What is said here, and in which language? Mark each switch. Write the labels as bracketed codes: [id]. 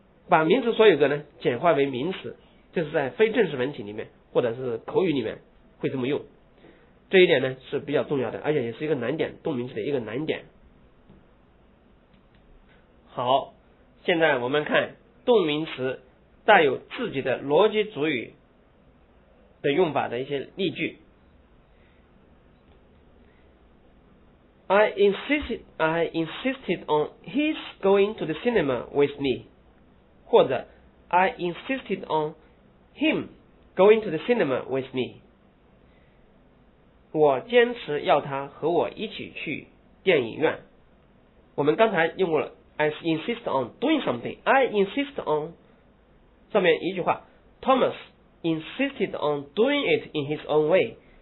[zh] 把名词所有格呢简化为名词，这是在非正式文体里面或者是口语里面会这么用，这一点呢是比较重要的，而且也是一个难点，动名词的一个难点。好，现在我们看动名词带有自己的逻辑主语的用法的一些例句。 [en] I insisted on his going to the cinema with me， [zh] 或者 [en] I insisted on him going to the cinema with me. [zh] 我坚持要他和我一起去电影院。我们刚才用过了 [en] I insist on doing something. I insist on [zh] 上面一句话 [en] Thomas insisted on doing it in his own way.